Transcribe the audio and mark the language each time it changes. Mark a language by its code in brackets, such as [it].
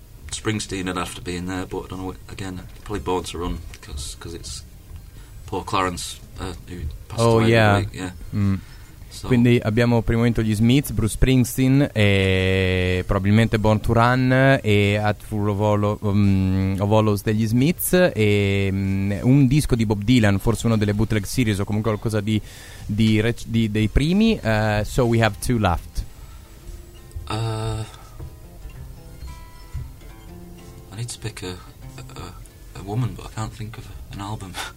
[en] Springsteen would have to be in there, but I don't know, probably Born to Run, because it's poor Clarence who passed away. [it] Quindi abbiamo per il momento gli Smiths, Bruce Springsteen e probabilmente Born to Run e Hatful of Hollows degli Smiths e un disco di Bob Dylan, forse uno delle bootleg series o comunque qualcosa di dei primi. [en] So we have 2 left. I need to pick a woman, but I can't think of an album.